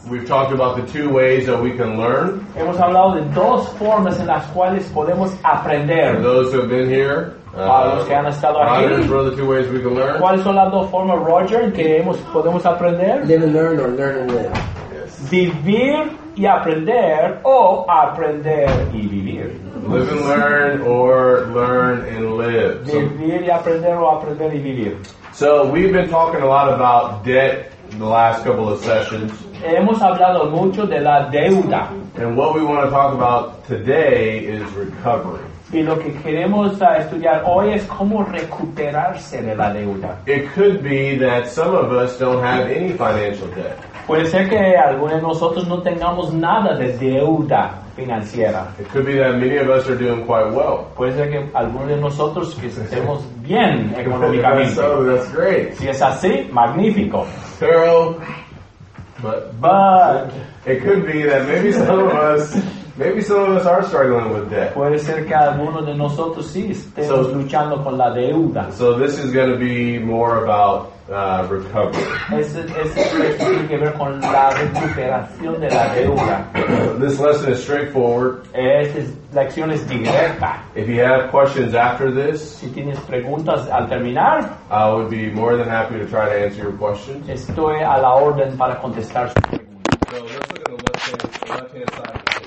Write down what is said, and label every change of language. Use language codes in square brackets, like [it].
[en] We've talked about the two ways that we can learn. [es] Hemos hablado de dos formas en las cuales podemos aprender. [en] For those who have been here, [es] los que han estado aquí, [en] Roger has brought the two ways we can learn. [es] ¿Cuáles son las dos formas, Roger, que podemos aprender? [en] Live and learn or learn and live. Yes. [es] Vivir y aprender o aprender y vivir. [en] Live and learn or learn and live. [es] Vivir y aprender o aprender y vivir. [en] So we've been talking a lot about debt in the last couple of sessions. [es] Hemos hablado mucho de la deuda. [en] And what we want to talk about today is recovery. [es] Y lo que queremos estudiar hoy es cómo recuperarse de la deuda. [en] It could be that some of us don't have any financial debt. [es] Puede ser que algunos de nosotros no tengamos nada de deuda financiera. [en] It could be that many of us are doing quite well. [es] Puede ser que algunos de nosotros que estemos bien económicamente. [en] So, that's great. [es] Si es así, magnífico. Pero, [en] but it could be that maybe some of us are struggling with debt. [es] Puede ser que alguno de nosotros sí estemos luchando con la deuda. [en] So this is going to be more about recovery. [es] Esto tiene que ver con la recuperación de la deuda. [en] This lesson is straightforward. [es] Esta lección es directa. [en] If you have questions after this, [es] si tienes preguntas al terminar, [en] I would be more than happy to try to answer your questions. [es] Estoy a la orden para contestar sus preguntas. [en] So let's look at the left hand side.